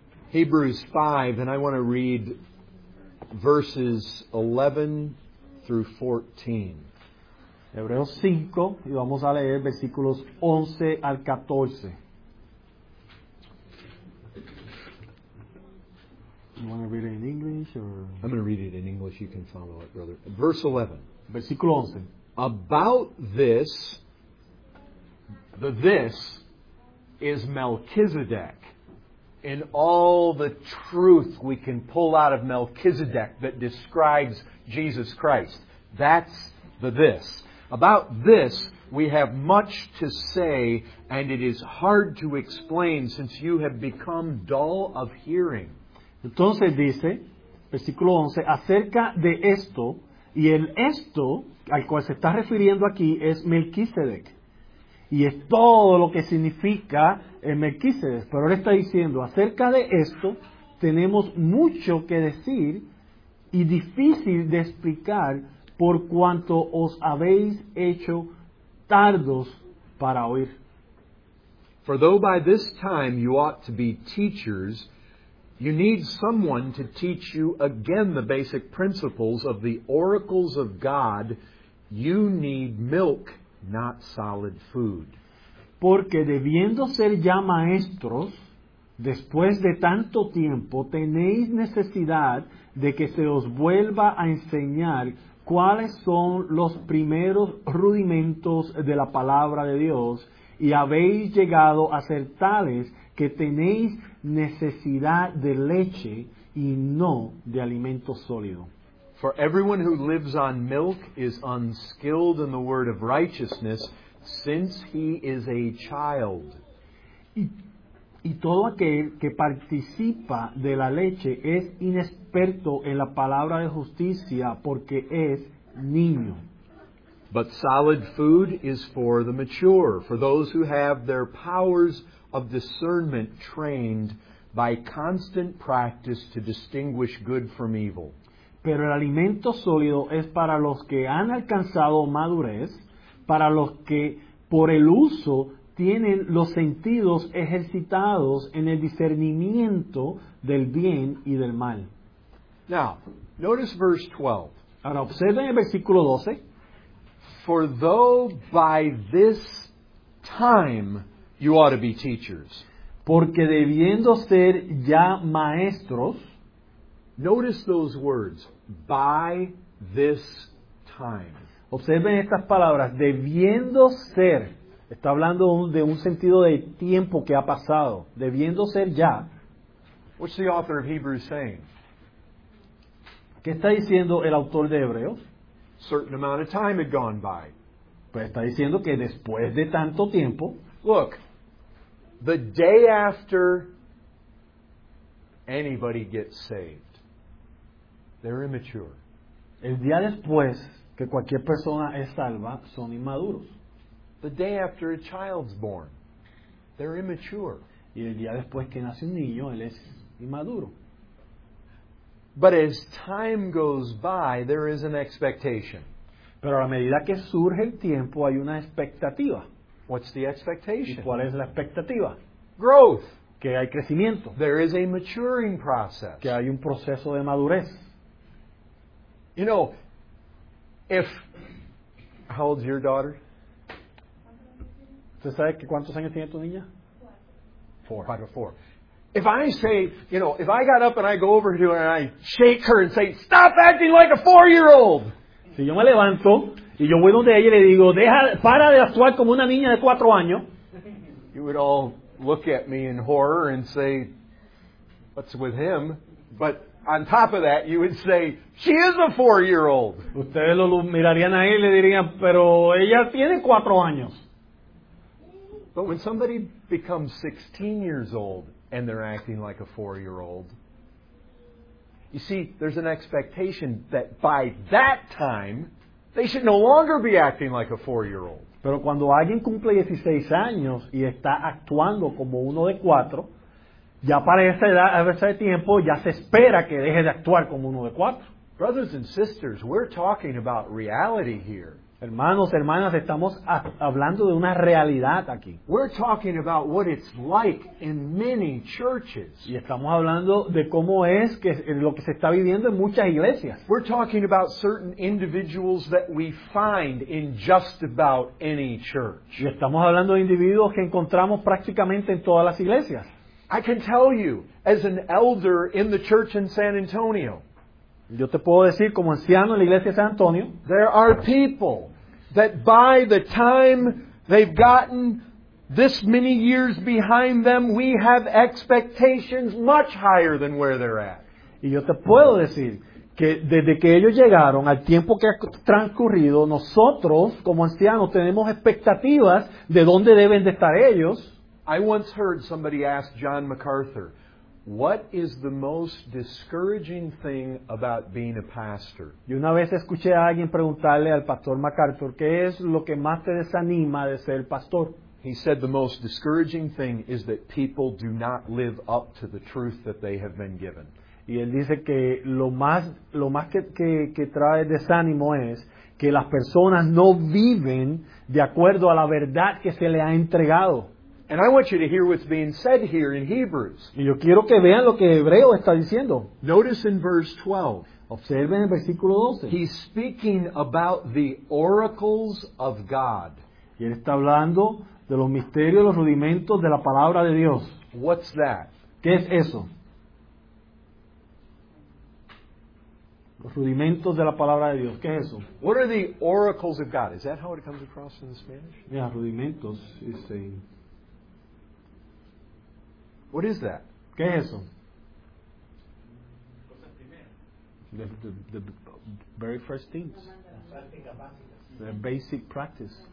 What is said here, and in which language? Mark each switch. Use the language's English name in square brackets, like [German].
[English] Hebrews 5, and I want to read verses 11 through 14. [Spanish] Hebreos 5, y vamos a leer versículos 11 al 14. [English] You want to read it in English? Or? I'm going to read it in English. You can follow it, brother. Verse 11. [Spanish] Versículo 11. [English] About this, the this is Melchizedek. And all the truth we can pull out of Melchizedek that describes Jesus Christ. That's the this. About this, we have much to say, and it is hard to explain since you have become dull of hearing. [Spanish] Entonces dice, versículo 11, acerca de esto, y el esto al cual se está refiriendo aquí es Melquisedec. Y es todo lo que significa Melquisedec. Pero él está diciendo, acerca de esto, tenemos mucho que decir y difícil de explicar por cuanto os habéis hecho tardos para oír. [English] For though by this time you ought to be teachers, you need someone to teach you again the basic principles of the oracles of God. You need milk, not solid food. [Spanish] Porque debiendo ser ya maestros, después de tanto tiempo, tenéis necesidad de que se os vuelva a enseñar cuáles son los primeros rudimentos de la palabra de Dios, y habéis llegado a ser tales que tenéis necesidad de leche y no de alimento sólido. [English] For everyone who lives on milk is unskilled in the word of righteousness, since he is a child. [Spanish] Y todo aquel que participa de la leche es inexperto en la palabra de justicia porque es niño. [English] But solid food is for the mature, for those who have their powers of discernment trained by constant practice to distinguish good from evil. [Spanish] Pero el alimento sólido es para los que han alcanzado madurez, para los que por el uso tienen los sentidos ejercitados en el discernimiento del bien y del mal. [English] Now, notice verse 12. [Spanish] Ahora, observen el versículo 12. [English] For though by this time you ought to be teachers. [Spanish] Porque debiendo ser ya maestros, [English] notice those words, by this time. [Spanish] Observen estas palabras, debiendo ser, está hablando de un sentido de tiempo que ha pasado, debiendo ser ya. [English] What's the author of Hebrews saying? [Spanish] ¿Qué está diciendo el autor de Hebreos? [English] Certain amount of time had gone by. [Spanish] Pues está diciendo que después de tanto tiempo, [English] look, the day after anybody gets saved, they're immature. [Spanish] El día después que cualquier persona es salva, son inmaduros. [English] The day after a child's born, they're immature. [Spanish] Y el día después que nace un niño, él es inmaduro. [English] But as time goes by, there is an expectation. [Spanish] Pero a medida que surge el tiempo, hay una expectativa. [English] What's the expectation? [Spanish] ¿Y cuál es la expectativa? [English] Growth. [Spanish] Que hay crecimiento. [English] There is a maturing process. [Spanish] Que hay un proceso de madurez. [English] You know, if... How old's your daughter? [Spanish] ¿Usted sabe que cuántos años tiene tu niña? [English] Four. If I say, you know, if I got up and I go over to her and I shake her and say, stop acting like a four-year-old. [Spanish] Si yo me levanto y yo voy donde ella y le digo, deja, para de actuar como una niña de cuatro años. [English] You would all look at me in horror and say, what's with him? But on top of that, you would say, she is a four-year-old. [Spanish] Ustedes lo mirarían ahí y le dirían, pero ella tiene cuatro años. [English] But when somebody becomes 16 years old, and they're acting like a four-year-old. You see, there's an expectation that by that time, they should no longer be acting like a four-year-old. [Spanish] Pero cuando alguien cumple 16 años y está actuando como uno de cuatro, ya para esa edad, a ese tiempo, ya se espera que deje de actuar como uno de cuatro. [English] Brothers and sisters, we're talking about reality here. [Spanish] Hermanos, hermanas, estamos hablando de una realidad aquí. [English] We're talking about what it's like in many churches. [Spanish] Y estamos hablando de cómo es que lo que se está viviendo en muchas iglesias. [English] We're talking about certain individuals that we find in just about any church. [Spanish] Y estamos hablando de individuos que encontramos prácticamente en todas las iglesias. [English] I can tell you, as an elder in the church in San Antonio, [Spanish] yo te puedo decir, como anciano en la iglesia de San Antonio, [English] there are people that by the time they've gotten this many years behind them, we have expectations much higher than where they're at. [Spanish] Y yo te puedo decir que desde que ellos llegaron, al tiempo que ha transcurrido, nosotros, como ancianos, tenemos expectativas de dónde deben de estar ellos. [English] I once heard somebody ask John MacArthur, what is the most discouraging thing about being a pastor? [Spanish] Y una vez escuché a alguien preguntarle al pastor MacArthur, ¿qué es lo que más te desanima de ser pastor? [English] He said the most discouraging thing is that people do not live up to the truth that they have been given. [Spanish] Y él dice que lo más que trae desánimo es que las personas no viven de acuerdo a la verdad que se le ha entregado. [English] And I want you to hear what's being said here in Hebrews. [Spanish] Y yo quiero que vean lo que Hebreo está diciendo. [English] Notice in verse 12. [Spanish] Observen el versículo 12. [English] He's speaking about the oracles of God. [Spanish] Y él está hablando de los misterios, los rudimentos de la palabra de Dios. [English] What's that? [Spanish] ¿Qué es eso? Los rudimentos de la palabra de Dios. ¿Qué es eso? [English] What are the oracles of God? Is that how it comes across in the Spanish? Yeah, rudimentos is saying. What is that? [Spanish] ¿Qué es eso? [English] The very first things. The basic practice.